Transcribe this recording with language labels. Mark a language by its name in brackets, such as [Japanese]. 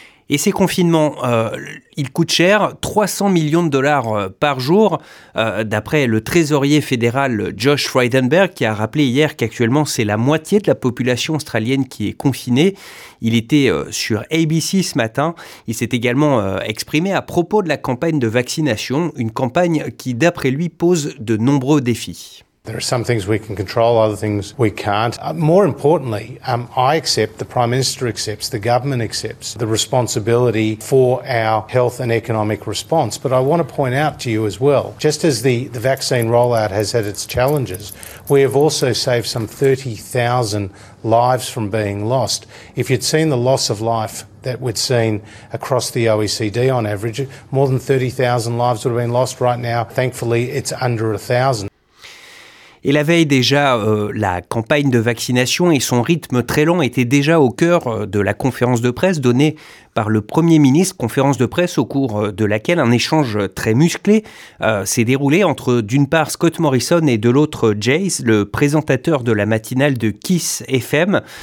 [French] Et ces confinements, ils coûtent cher, 300 millions de dollars par jour, d'après le trésorier fédéral Josh Frydenberg, qui a rappelé hier qu'actuellement c'est la moitié de la population australienne qui est confinée. Il était sur ABC ce matin, il s'est également exprimé à propos de la campagne de vaccination, une campagne qui d'après lui pose de nombreux défis. [English] There are some things we can control, other things we can't. More importantly, I accept, the Prime Minister accepts, the government accepts the responsibility for our health and economic response. But I want to point out to you as well, just as the vaccine rollout has had its challenges, we have also saved some 30,000 lives from being lost. If you'd seen the loss of life that we'd seen across the OECD on average, more than 30,000 lives would have been lost right now. Thankfully, it's under 1,000. [French] Et la veille déjà, la campagne de vaccination et son rythme très lent étaient déjà au cœur de la conférence de presse donnée par le Premier ministre, conférence de presse au cours de laquelle un échange très musclé s'est déroulé entre d'une part Scott Morrison et de l'autre Jace, le présentateur de la matinale de Kiss FM.